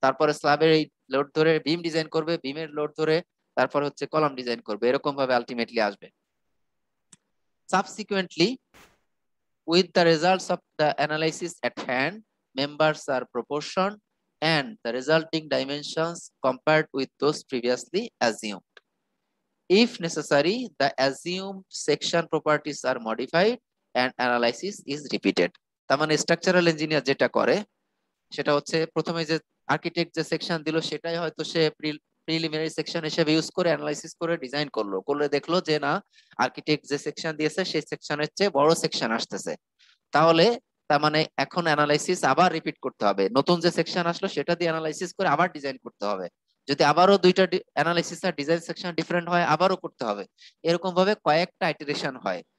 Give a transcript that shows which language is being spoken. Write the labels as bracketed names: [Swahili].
[Bangla] তারপরে স্ল্যাবের এই লোড ধরে বিম ডিজাইন করবে, বিমের লোড ধরে তারপর হচ্ছে কলাম ডিজাইন করবে, এরকম ভাবে আলটিমেটলি আসবে। [English] Subsequently with the results of the analysis at hand members are proportion and the resulting dimensions compared with those previously assumed. If necessary, the assumed section properties are modified and analysis is repeated. [Bangla] তার মানে structural engineer যেটা করে সেটা হচ্ছে প্রথমে যে architect যে section দিল সেটাই হয়তো সে প্রিলিমিনারি সেকশন হিসেবে ইউজ করে অ্যানালাইসিস করে ডিজাইন করলো, করলে দেখলো যে না আর্কিটেক্ট যে সেকশন দিয়েছে সেই সেকশনের চেয়ে বড় সেকশন আসতেছে, তাহলে তার মানে এখন অ্যানালাইসিস আবার রিপিট করতে হবে, নতুন যে সেকশন আসলো সেটা দিয়ে অ্যানালাইসিস করে আবার ডিজাইন করতে হবে, যদি আবারও দুইটা অ্যানালাইসিস আর ডিজাইন সেকশন ডিফারেন্ট হয় আবারও করতে হবে, এরকম ভাবে কয়েকটা আইটারেশন হয়।